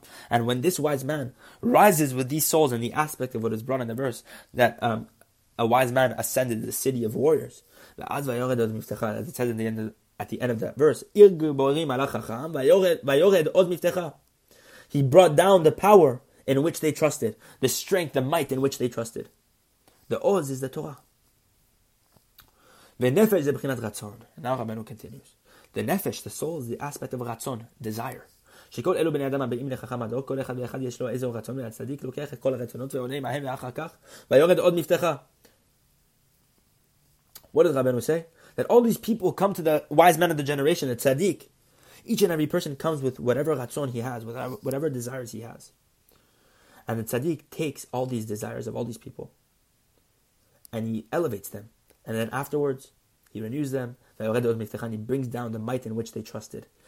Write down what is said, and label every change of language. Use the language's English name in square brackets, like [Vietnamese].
[English] And when this wise man rises with these souls in the aspect of what is brought in the verse, that a wise man ascended the city of warriors, as it says in the end of, at the end of that verse, he brought down the power in which they trusted, the strength, the might in which they trusted. The oz is the Torah. The nefesh is the b'chinat ratzon. Now Rabbeinu continues. The nefesh, the soul, is the aspect of ratzon, desire. [Hebrew] שכול אלו בני אדם באים לחכם הדור, כל אחד ואחד יש לו איזו רצון, והצדיק לוקח את כל הרצונות ועונה מהם ואחר כך, ויורד עוד מפתחה. [English] What does Rabbeinu say? That all these people come to the wise man of the generation, the tzadik. Each and every person comes with whatever ratzon he has, whatever desires he has. And the tzadik takes all these desires of all these people, and he elevates them. And then afterwards, he renews them, [Hebrew] ויורד עוד מפתחה, [English] and he brings down the might in which they trusted.